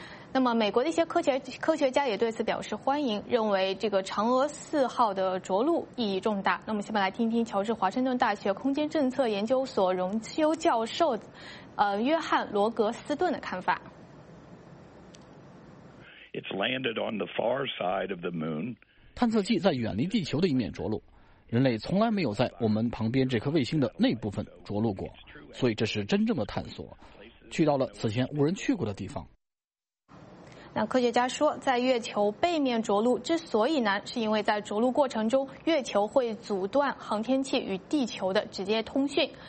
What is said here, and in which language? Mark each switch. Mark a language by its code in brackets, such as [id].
[zh] 那么美国的一些科学家也对此表示欢迎，认为这个嫦娥四号的着陆意义重大。那么下面来听听乔治华盛顿大学空间政策研究所荣休教授约翰·罗格斯顿的看法。 [en] It's landed on the far side of the moon. [zh] 探测器在远离地球的一面着陆，人类从来没有在我们旁边这颗卫星的那部分着陆过，所以这是真正的探索，去到了此前无人去过的地方。那科学家说，在月球背面着陆之所以难，是因为在着陆过程中，月球会阻断航天器与地球的直接通讯。